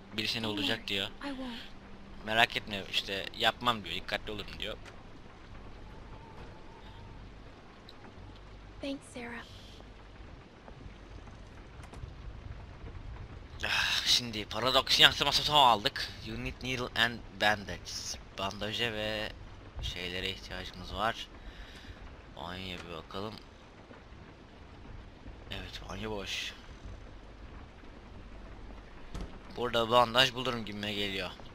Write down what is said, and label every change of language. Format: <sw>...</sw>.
<tr>birisi ne olacak diyor. Merak etme işte yapmam diyor, dikkatli olurum diyor.</tr> <en>Thanks, Sarah.</en> <tr>Şimdi paradoks yansıması son aldık.</tr> <en>You need needle and bandage.</en> <tr>Bandaja ve şeylere ihtiyacımız var. Banyoya bir bakalım. Evet, banyo boş. Burada bandaj bulurum gibime geliyor.</tr>